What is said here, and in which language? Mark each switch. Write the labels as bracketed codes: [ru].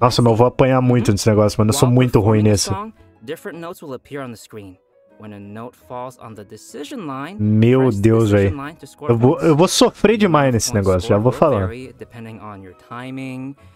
[pt] Nossa, mas eu vou apanhar muito nesse negócio, mano. Eu sou muito ruim nesse. [en] Different notes will appear on the screen. When a note falls on the decision line, [pt] meu Deus, velho. Eu vou sofrer demais nesse negócio, já vou falar. [en] Depending on your timing.